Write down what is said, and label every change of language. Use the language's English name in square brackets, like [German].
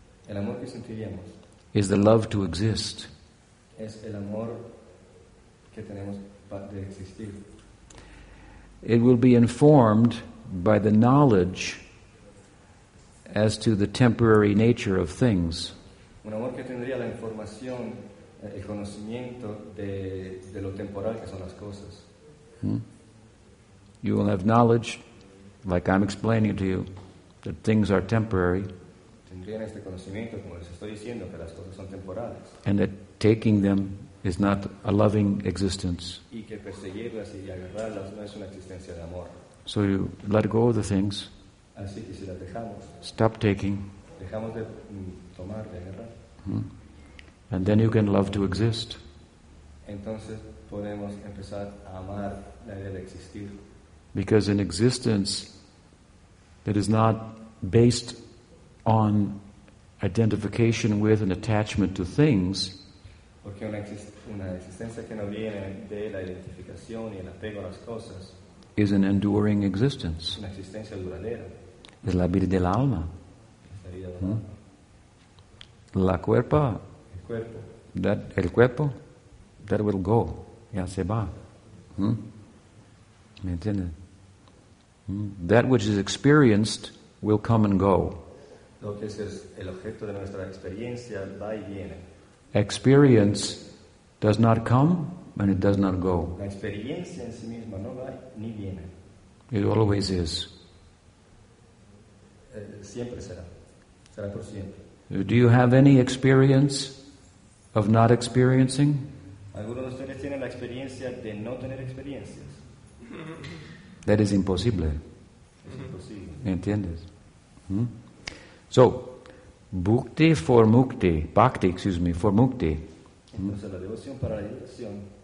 [Spanish] el amor que sentiremos, [English] is the love to exist. [Spanish] Es el amor que tenemos de existir. [English] It will be informed by the knowledge as to the temporary nature of things. [Spanish] Un amor que tendría la información, el conocimiento de lo temporal que son las cosas. [English] You will have knowledge, like I'm explaining to you, that things are temporary. [Spanish] Tendrían este conocimiento, como les estoy diciendo, que las cosas son temporales. [English] And that taking them is not a loving existence. [Spanish] Y que perseguirlas y agarrarlas no es una existencia de amor. [English] So you let go of the things. [Spanish] Así que si las dejamos. [English] Stop taking. [Spanish] Dejamos de tomar, de agarrar. [English] And then you can love to exist. [Spanish] Entonces podemos empezar a amar la idea de existir. [English] Because an existence that is not based on identification with and attachment to things, [Spanish] porque una existencia que no viene de la identificación y el apego a las cosas, [English] is an enduring existence. [Spanish] Una existencia duradera. Es la vida del alma. La cuerpo. El cuerpo. [English] That will go. [Spanish] Ya se va. ¿Me entiendes? [English] That which is experienced will come and go. [Spanish] Lo que es el objeto de nuestra experiencia va y viene. [English] Experience does not come and it does not go. [Spanish] La experiencia en sí misma no va ni viene. [English] It always is. [Spanish] Siempre será. Será por siempre. [English] Do you have any experience of not experiencing? [Spanish] ¿Alguno de ustedes tiene la experiencia de no tener experiencias? [English] That is impossible. Mm-hmm. [Spanish] ¿Entiendes? [English] So, bhakti for mukti, for mukti. [Spanish] Entonces, la devoción para la liberación.